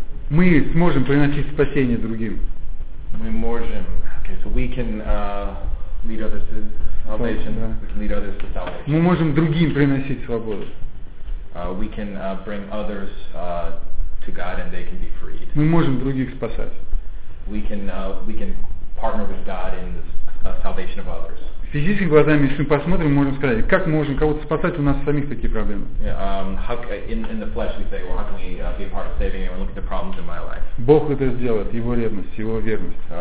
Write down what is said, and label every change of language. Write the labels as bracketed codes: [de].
[ru] Мы сможем приносить спасение другим. Мы можем. [en] Okay, so we can lead others to salvation. [ru] Да. [en] We can lead others to salvation. [ru] Мы можем другим приносить свободу. [en] We can bring others to God and they can be freed. [ru] Мы можем других спасать. [en] We can partner with God in the salvation of others. [ru] Физическими глазами, если мы посмотрим, мы можем сказать, как можем кого-то спасать, у нас самих такие проблемы. [en] Yeah, in the flesh we say, well, how can we be a part of saving and look at the problems in my life? [ru] Бог это сделает, его ревность, его верность.